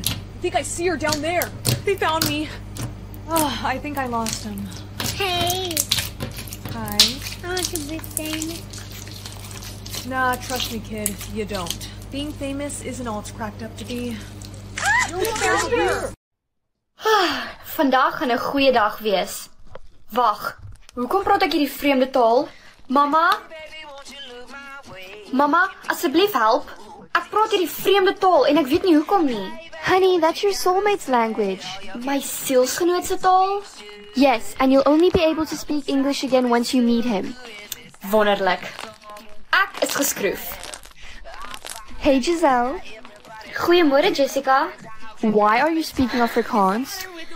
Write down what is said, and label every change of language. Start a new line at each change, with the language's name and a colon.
English: I think I see her down there. They found me. Oh, I think I lost them. Hey. Hi. I want to be famous. Nah, trust me, kid. You don't. Being famous isn't all it's cracked up to be.
Afrikaans: Vandaag gaan 'n goeie dag wees. Wag. Hoekom praat ek hierdie vreemde taal? Mama? Mama, asseblief help. Ek praat hierdie vreemde taal en ek weet nie hoekom nie.
English: Honey, that's your soulmate's language.
Afrikaans: My sielsgenoot se taal?
English: Yes, and you'll only be able to speak English again once you meet him.
Afrikaans: Wonderlik. Ek is geskroef.
English: Hey Giselle.
Afrikaans: Goeiemôre Jessica.
English: Why are you speaking Afrikaans?